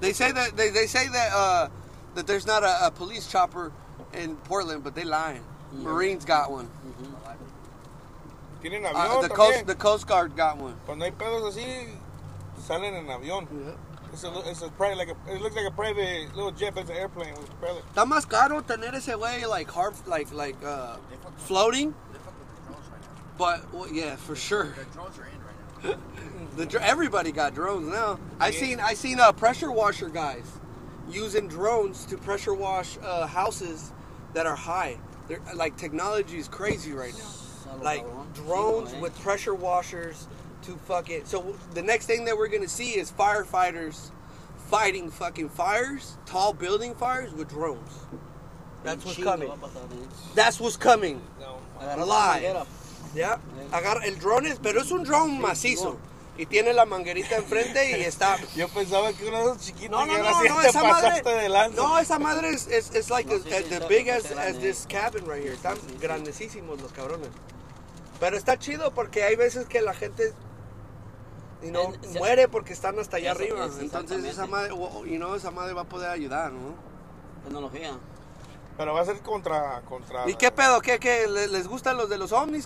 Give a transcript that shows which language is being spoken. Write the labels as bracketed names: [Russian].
[English] They say that there's not a police chopper in Portland, but they lying. Yeah. Marines got one. [Spanish] Tienen avión [English] the [Spanish] también. [English] The Coast Guard got one. [Spanish] Cuando hay pedos así, salen en avión. [English] It looks like a private little jet, but it's an airplane. [Spanish] Está más caro tener ese güey, [English] like, hard, like floating. But, well, yeah, for sure. The drones are in right now. Everybody got drones now. I seen pressure washer guys using drones to pressure wash houses that are high. They're, like, technology is crazy right now. Like, drones with pressure washers to fuck it. So the next thing that we're going to see is firefighters fighting fucking fires, tall building fires with drones. That's what's coming. That's what's coming. Alive. Yeah. [Spanish] Agarra el drone, pero es un drone macizo. Y tiene la manguerita enfrente y está... Yo pensaba que uno de esos chiquitos... No, esa madre es [English] like the big as this cabin right here. [Spanish] Están grandesísimos los cabrones. Pero está chido porque hay veces que la gente, muere porque están hasta allá arriba. Entonces esa madre, esa madre va a poder ayudar, ¿no? Tecnología. Pero va a ser contra... ¿Y qué pedo? ¿Qué? ¿Les gustan los de los ovnis?